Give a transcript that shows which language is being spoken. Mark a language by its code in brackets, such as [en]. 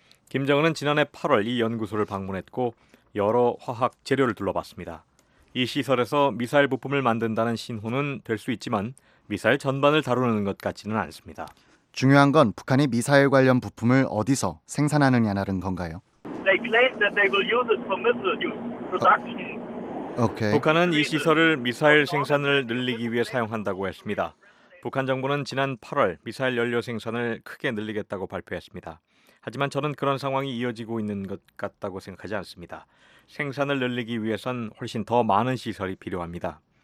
[ko] 김정은은 지난해 8월 이 연구소를 방문했고 여러 화학 재료를 둘러봤습니다. 이 시설에서 미사일 부품을 만든다는 신호는 될 수 있지만 미사일 전반을 다루는 것 같지는 않습니다. 중요한 건 북한이 미사일 관련 부품을 어디서 생산하느냐는 건가요? [en] They claim that they will use it for missile production. [ko] 오케이. 북한은 이 시설을 미사일 생산을 늘리기 위해 사용한다고 했습니다. 북한 정부는 지난 8월 미사일 연료 생산을 크게 늘리겠다고 발표했습니다. 하지만 저는 그런 상황이 이어지고 있는 것 같다고 생각하지 않습니다. 생산을 늘리기 위해선 훨씬 더 많은 시설이 필요합니다.